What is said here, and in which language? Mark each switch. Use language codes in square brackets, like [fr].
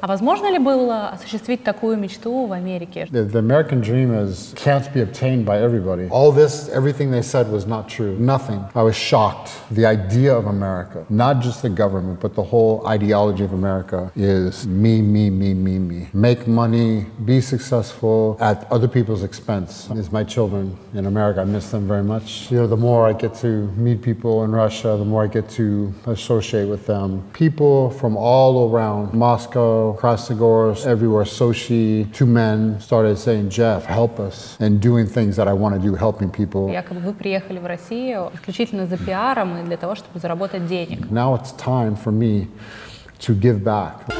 [ru] А возможно ли было осуществить такую мечту в Америке? [en] The American dream is can't be obtained by everybody. All this, everything they said was not true. Nothing. I was shocked. The idea of America, not just the government, but the whole ideology of America is me, me, me, me, me. Make money, be successful at other people's expense. These my children in America. I miss them very much. You know, the more I get to meet people in Russia, the more I get to associate with them. People from all around Moscow, Krasnogorsk, everywhere, Sochi, two men started saying, Jeff, help us, and doing things that I want to do, helping people. [ru] Якобы вы приехали в Россию исключительно за пиаром и для того, чтобы заработать денег. [en] Now it's time for me to give back.